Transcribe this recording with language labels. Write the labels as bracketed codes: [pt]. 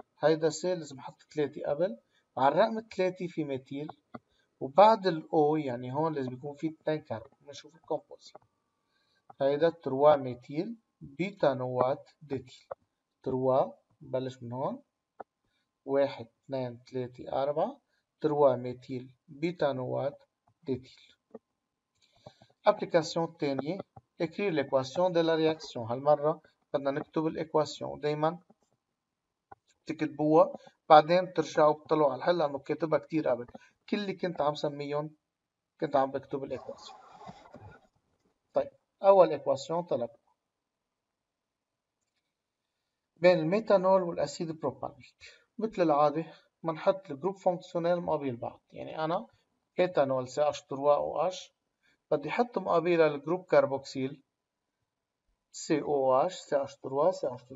[ar] هيدا سي لازم احط 3 قبل، وعلى الرقم 3 في ميتيل، وبعد الاو يعني هون لازم يكون في 2 كربون. نشوف الكومبوزي، هيدا 3 ميتيل بيتانوات ديتيل. 3 بلش من هون 1 2 3 4 3 ميتيل بيتانوات ديتيل. ابلكاسيون تانية، [fr] écrire l'équation de la réaction. [ar] هالمرة بدنا نكتب الإكواسيون، دايما تكتبوها بعدين ترجعوا بتطلعوا على الحل لأنه كاتبها كتير قبل. كل اللي كنت عم سميهم كنت عم بكتب الإكواسيون. طيب أول إكواسيون طلب بين الميتانول والأسيد بروباليك، مثل العادة بنحط الجروب فونكسيونيل مقابل بعض، يعني أنا إيتانول سي اش 3 او اش بدي احط مقابلها الجروب كاربوكسيل سي او اش سي اش 3 سي اش 3.